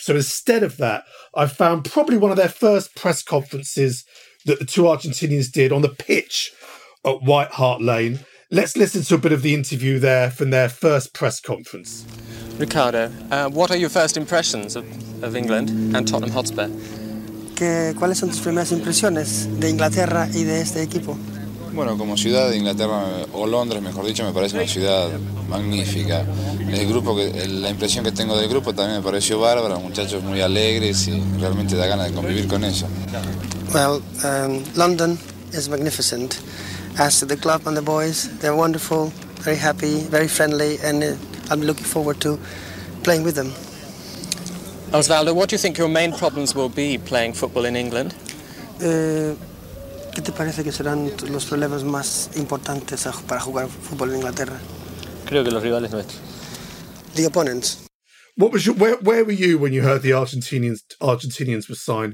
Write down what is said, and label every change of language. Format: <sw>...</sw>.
<en>So instead of that, I found probably one of their first press conferences that the two Argentinians did on the pitch at White Hart Lane. Let's listen to a bit of the interview there from their first press conference. Ricardo, what are your first impressions of England and Tottenham Hotspur?</en> <es>¿Cuáles son tus primeras impresiones de Inglaterra y de este equipo? Bueno, como ciudad de Inglaterra, o Londres, mejor dicho, me parece una ciudad magnífica. El grupo, la impresión que tengo del grupo también me pareció bárbara, muchachos muy alegres y realmente da ganas de convivir con ellos.</es> <en>Well, London is magnificent. As to the club and the boys, they're wonderful, very happy, very friendly, and I'm looking forward to playing with them. Osvaldo, what do you think your main problems will be playing football in England?</en> <es>¿Qué te parece que serán los problemas más importantes para jugar fútbol en Inglaterra? Creo que los rivales nuestros.</es> <en>The opponents. What was your, where were you when you heard the Argentinians were signed?</en>